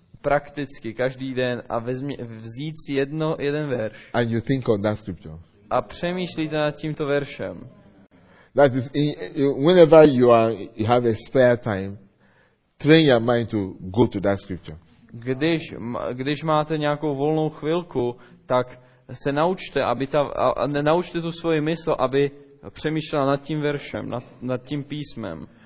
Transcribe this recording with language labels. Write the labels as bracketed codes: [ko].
[cs] Prakticky každý den a vzít si jeden verš. [en] And you think on that scripture. [cs] A přemýšlíte nad tímto veršem. [en] That is in, whenever you are you have a spare time, train your mind to go to that scripture. [cs] Když máte nějakou volnou chvilku, tak se naučte, aby naučte tu svoji mysl, aby přemýšlela nad tím veršem, nad tím písmem.